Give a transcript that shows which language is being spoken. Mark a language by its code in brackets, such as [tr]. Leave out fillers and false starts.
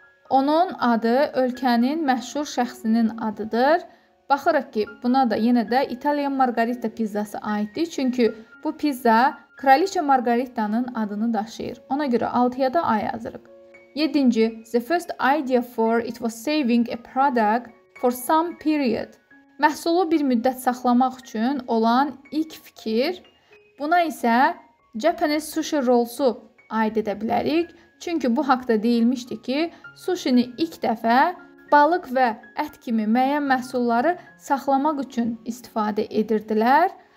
[az] Onun adı ölkənin məşhur şəxsinin adıdır. Baxırıq ki, buna da yenə də İtalyan margarita pizzası aiddir. Çünki bu pizza Kraliça Margarita'nın adını daşıyır. Ona görə 6-ya da A yazırıq. [en] 7-ci, the first idea for it was saving a product for some period. [az] Məhsulu bir müddət saxlamaq üçün olan ilk fikir. Buna isə [en] Japanese sushi rolls- [az] u aid edə bilərik. Çünki bu haqda deyilmişdi ki, sushini ilk dəfə balıq və ət kimi müəyyən məhsulları saxlamaq üçün istifadə edirdilər.